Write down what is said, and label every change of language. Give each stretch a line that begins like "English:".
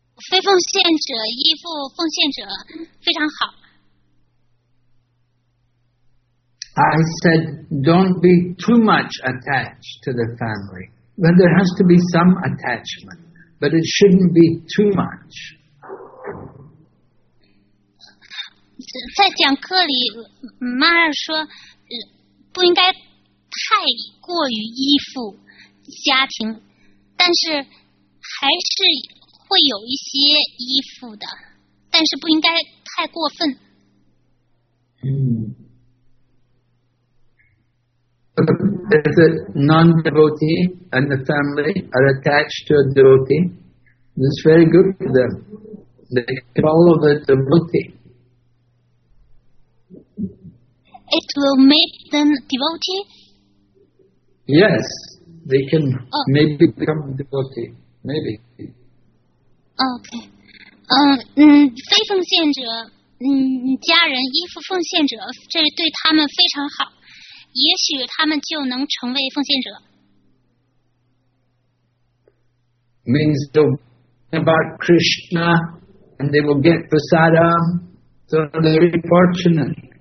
Chinese: 非奉献者依附奉献者非常好。
English: I said, don't be too much attached to the family. Well, there has to be some attachment, but it shouldn't be too much.
Chinese: 在讲课里，妈妈说，不应该太过于依附家庭，但是还是会有一些依附的，但是不应该太过分。嗯。
English: If a non-devotee and the family are attached to a devotee, it's very good for them. They follow the devotee. It will make them devotee? Yes, they can maybe become a devotee. Maybe. Okay.
Chinese: 非奉献者，家人依附奉献者，这对他们非常好。也许他们就能成为奉献者。
English: Means they'll hear about Krishna and they will get prasada, so they're very fortunate.